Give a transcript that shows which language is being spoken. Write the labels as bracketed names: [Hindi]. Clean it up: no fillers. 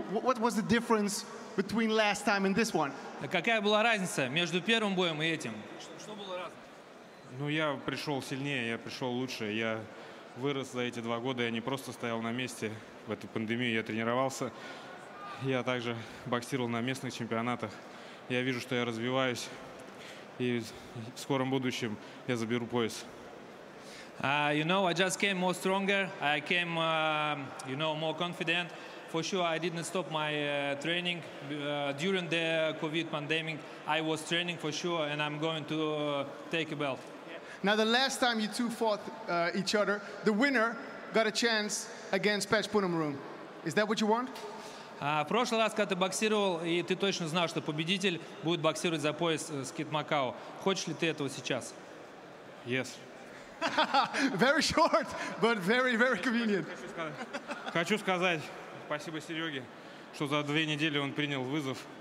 [English] What was the difference between last time and this one? [Russian] Какая была разница между первым боем и этим? Ну, я пришел сильнее, я пришел лучше. Я вырос за эти два года, я не просто стоял на месте. В эту пандемию я тренировался. Я также боксировал на местных чемпионатах. Я вижу, что я развиваюсь. И в скором будущем я заберу пояс. [English] You know, I just came more stronger. I came, you know, more confident. For sure, I didn't stop my training during the COVID pandemic. I was training for sure, and I'm going to take a belt. Now, the last time you two fought each other, the winner got a chance against Patch Punamurum. Is that what you want? [Russian] Прошлый раз, когда ты боксировал, и ты точно знал, что победитель будет боксировать за пояс с Кит Макао. Хочешь ли ты этого сейчас? [English] Yes. Very short, but very, very convenient. [Russian] Хочу сказать спасибо Сереге, что за две недели он принял вызов.